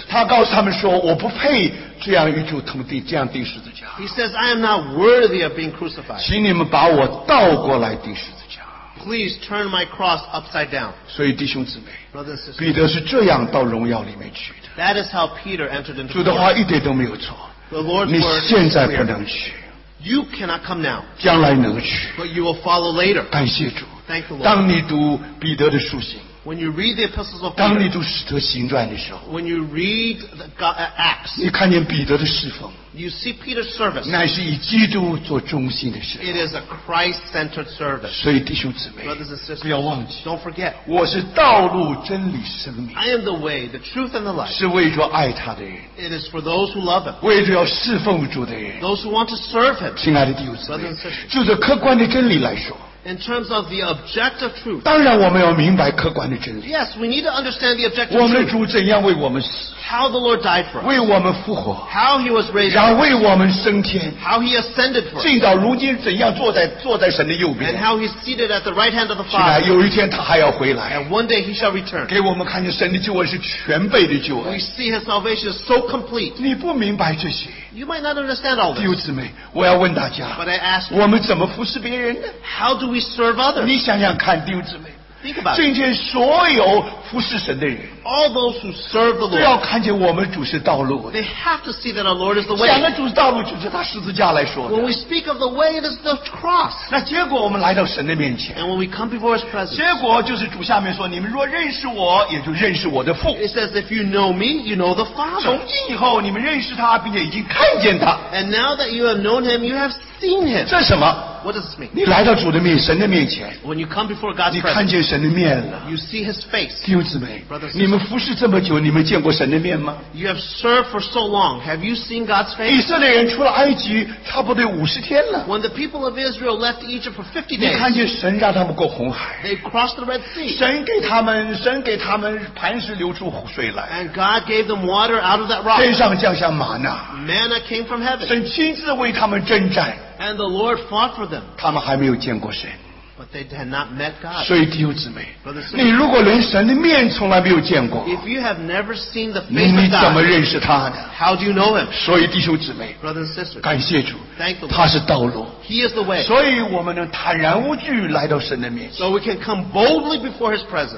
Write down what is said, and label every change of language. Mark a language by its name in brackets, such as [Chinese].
[Chinese] 他告诉他们说，我不配这样与主同钉，这样钉十字架。 [English] He says, I am not worthy of being crucified. [Chinese] 请你们把我倒过来钉十字架。 [English] Please turn my cross upside down. [Chinese] 所以弟兄姊妹， [English] Brothers, sisters, [Chinese] 彼得是这样到荣耀里面去的。 [English] That is how Peter entered into the Lord. [Chinese] 主的话一点都没有错。 [English] The Lord's word is clear. [Chinese] 你现在不能去。 [English] You cannot come now. [Chinese] 将来能去。 [English] But you will follow later. [Chinese] 感谢主。 [English] Thank the Lord. [Chinese] 当你读彼得的书信， [English] When you read the epistles of Peter, [Chinese] 当你读使徒行传的时候， [English] When you read the Acts, [Chinese] 你看见彼得的侍奉， [English] You see Peter's service. [Chinese] 乃是以基督做中心的侍奉， [English] It is a Christ-centered service. [Chinese] 所以弟兄姊妹， [English] Brothers and sisters, [Chinese] 不要忘记， [English] Don't forget. [Chinese] 我是道路真理生命， [English] I am the way, the truth and the life. [Chinese] 是为着爱他的人， [English] It is for those who love him. [Chinese] 为着要侍奉主的人， [English] Those who want to serve him. [Chinese] 亲爱的弟兄姊妹， [English] Brothers and sisters, [Chinese] 就是客观的真理来说， [English] In terms of the objective truth. [Chinese] 当然我们要明白客观的真理。 [English] Yes, we need to understand the objective truth. [Chinese] 我们的主怎样为我们死。 [English] How the Lord died for us. [Chinese] 为我们复活。 [English] How he was raised. [Chinese] 然后为我们升天。 [English] How he ascended for us. [Chinese] 进到如今怎样坐在神的右边。 [English] And how he's seated at the right hand of the Father. [Chinese] 有一天他还要回来。 [English] And one day he shall return. [Chinese] 给我们看见神的救恩是全备的救恩。 [English] We see his salvation is so complete. [Chinese] 你不明白这些。 [English] You might not understand all this. [Chinese] 弟兄姊妹，我要问大家。 [English] But I ask you. [Chinese] 我们怎么服侍别人呢？ [English] How do we serve others? [Chinese] 你想想看，弟兄姊妹。 [English] Think about it. [Chinese] 今天所有服侍神的人。 [English] All those who serve the Lord. [Chinese] 都要看见我们主是道路。 [English] They have to see that our Lord is the way. [Chinese] 讲的主是道路，就是他十字架来说的。 [English] When we speak of the way, it is the cross. [Chinese] 那结果我们来到神的面前。 [English] And when we come before his presence. [Chinese] 结果就是主下面说，你们若认识我，也就认识我的父。 [English] It says, if you know me, you know the Father. [Chinese] 从今以后，你们认识他，并且已经看见他。 [English] And now that you have known him, you have seen him. [Chinese] 这什么？ [English] What does this mean? [Chinese] 你来到主的面，神的面前。 [English] When you come before God's presence. [Chinese] 你看见神的面了。 [English] You see his face. [Chinese] 弟弟兄姊妹，你们服侍这么久，你们见过神的面吗？ [English] You have served for so long. Have you seen God's face? [Chinese] 以色列人出了埃及差不多50天了。 [English] When the people of Israel left Egypt for 50 days, [Chinese] 你看见神让他们过红海。 [English] They crossed the Red Sea. [Chinese] 神给他们磐石流出水来。 [English] And God gave them water out of that rock. [Chinese] 天上降下玛纳。 [English] Manna came from heaven. [Chinese] 神亲自为他们征战。 [English] And the Lord fought for them. [Chinese] 他们还没有见过神。 [English] But they had not met God. [Chinese] 所以弟兄姊妹, 你如果连神的面从来没有见过, [English] if you have never seen the face of God, how do you know him? [Chinese] 所以弟兄姊妹, [English] brothers and sisters, [Chinese] 感谢主, [English] thank the Lord. [Chinese] 他是道路, [English] he is the way. [Chinese] 所以我们能坦然无惧来到神的面前, [English] so we can come boldly before his presence.